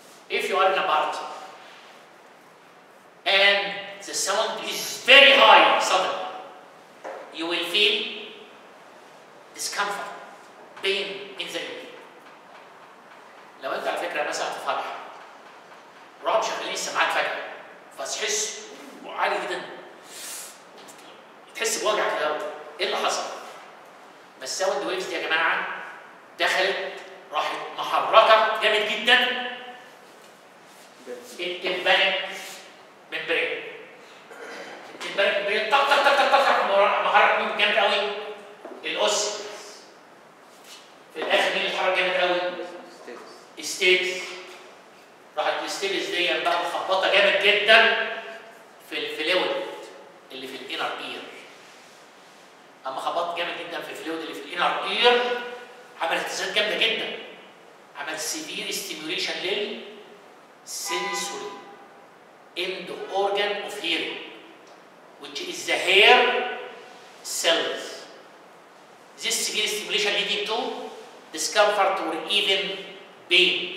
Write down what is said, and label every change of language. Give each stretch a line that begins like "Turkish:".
English: If you are in a party and the sound is very high suddenly, you will feel discomfort, pain in the ear.
Arabic: لو انت على فكرة مثلا في فرح رابش خليه يسمعك فجأة فتحس عالي جدا تحس بوجع كده. ايه اللي حصل؟ ما الساوند ويفز دي يا جماعة دخلت راحت محركة جامد جدا التمبانك ممبرين. التمبانك ممبرين طق طق طق طق طق محرك من جامد قوي الأس. في الاخر مين اتحرك جامد قوي؟ ستيبس. راحت الستيبس دي بقى مخبطه جامد جدا في الفلويد اللي في الانر اير. اما خبطت جامد جدا في الفلويد اللي في الانر اير عملت اهتزازات جامده جدا. عملت سيفير ستيموليشن للسنسوري اند اورجان اوف هيرنج
English: which is the hair cells. This severe stimulation leading to discomfort or even pain.